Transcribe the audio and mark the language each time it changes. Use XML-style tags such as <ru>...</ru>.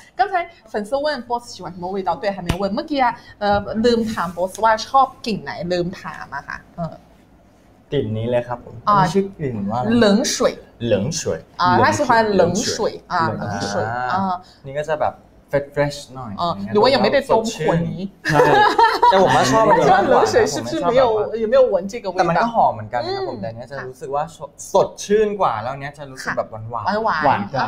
<zh>刚才粉丝问 boss 喜欢什么味道，对，还没问。</zh> <th>เมื่อกี้ลืมถาม boss ว่าชอบกลิ่นไหนลืมถามอะค่ะ กลิ่นนี้เลยครับชื่อกลิ่นว่า</th> <zh>เหลิง水啊他喜欢冷水啊冷水啊</zh> <th>นี่ก็จะแบบ fresh หน่อย หรือว่ายังไม่ได้ต้มขวดนี้แต่ผมชอบ</th> <zh>ชอบ冷水是不是没有有没有闻这个味道</zh> <th>แต่มันก็หอมเหมือนกันนะครับผมแต่เนี้ยจะรู้สึกว่าสดชื่นกว่าแล้วเนี้ยจะรู้สึกแบบหวาน</th>